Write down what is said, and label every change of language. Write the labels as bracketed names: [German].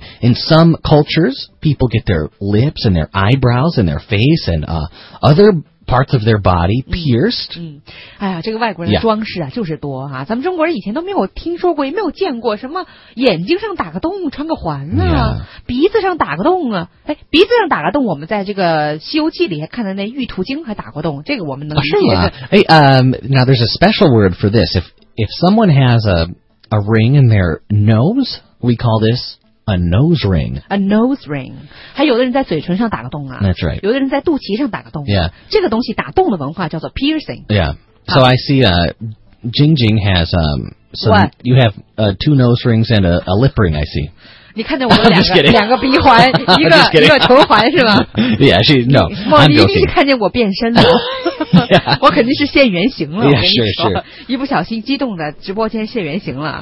[English] In some cultures, people get their lips and their eyebrows and their face and other parts of their body pierced. [Chinese] 哎呀，这个外国人的装饰啊， [English] yeah. [Chinese] 就是多哈、啊。咱们中国人以前都没有听说过，也没有见过什么眼睛上打个洞、穿个环啊， [English] yeah. [Chinese] 鼻子上打个洞啊。哎，鼻子上打个洞，我们在这个《西游记》里看的那玉兔精还打过洞，这个我们能理解的。 [English] 哎、啊、，now there's a special word for this. If someone has a ring in their nose, we call this. A nose ring. A nose ring. [Chinese] 还有的人在嘴唇上打个洞啊。 [English] That's right. [Chinese] 有的人在肚脐上打个洞。 [English] Yeah. [Chinese] 这个东西打洞的文化叫做 piercing. [English] Yeah. So I see Jing Jing has some... What? You have two nose rings and a lip ring, I see. [Chinese] 你看见我们两个鼻环一个唇环是吗 [English] Yeah, she... No, I'm joking. [Chinese] 你一定是看见我变身了。 [English] yeah. [Chinese] 我肯定是现原形了。 [English] Yeah, [Chinese] 我跟你说 sure. 一不小心激动的直播间现原形了。